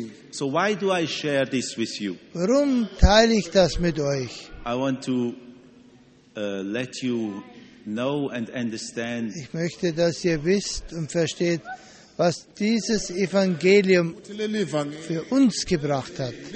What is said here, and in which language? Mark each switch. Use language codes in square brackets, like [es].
[en] So why do I share this with you? [de] Warum teile ich das mit euch? [en] I want to let you know and understand. [de] Ich möchte, dass ihr wisst und versteht, was dieses Evangelium für uns gebracht hat.